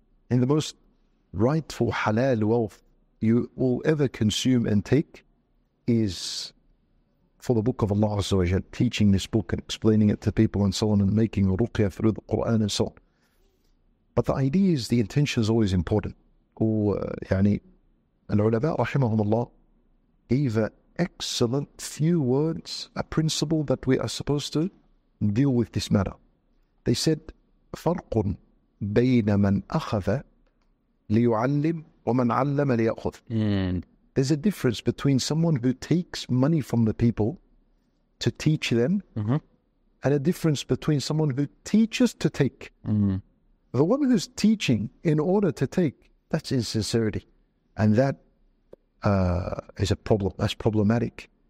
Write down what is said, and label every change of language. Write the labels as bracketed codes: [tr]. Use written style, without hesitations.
[en] In the most rightful halal wealth you will ever consume and take is for the book of Allah azza wa jal, teaching this book and explaining it to people and so on, and making ruqya through the Qur'an and so on. But the idea is, the intention is always important. And ulama, rahimahumullah, gave an excellent few words, a principle that we are supposed to deal with this matter. They said, [ar] فَرْقٌ بَيْنَ مَنْ أَخَذَ لِيُعَلِّمْ وَمَنْ عَلَّمَ لِيَأْخُذْ. [en] There's a difference between someone who takes money from the people to teach them, mm-hmm. and a difference between someone who teaches to take. Mm-hmm. The one who's teaching in order to take, that's insincerity. And that is a problem. That's problematic.